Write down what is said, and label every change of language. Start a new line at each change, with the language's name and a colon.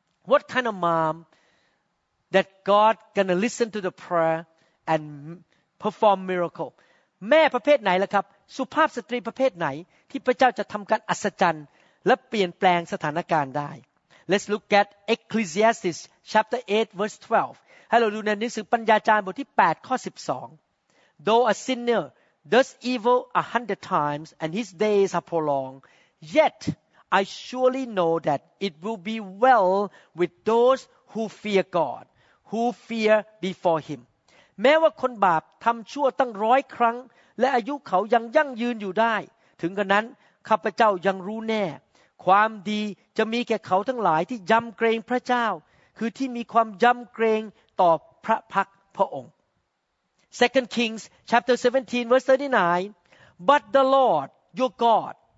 English: What kind of mom that God gonna listen to the prayer and perform miracle
Thai: แม่ประเภทไหนล่ะครับสุภาพสตรีประเภทไหนที่พระเจ้าจะทำการอัศจรรย์และเปลี่ยนแปลงสถานการณ์ได้
English: Let's look at Ecclesiastes chapter 8 verse 12.
Thai: ให้เราดูในหนังสือปัญญาจารย์บทที่8ข้อ12.
English: Though a sinner does evil 100 times and his days are prolonged, yet I surely know that it will be well with those who fear God, who fear before him.
Thai: แม้ว่าคนบาปทำชั่วตั้ง100ครั้งและอายุเขายังยั่งยืนอยู่ได้ถึงกระนั้นข้าพเจ้ายังรู้แน่ความดีจะมีแก่เขาทั้งหลายที่ยำเกรงพระเจ้าคือที่มีความยำเกรงต่อพระพักพระองค์
English: 2 Kings chapter 17 verse 39 But the Lord your God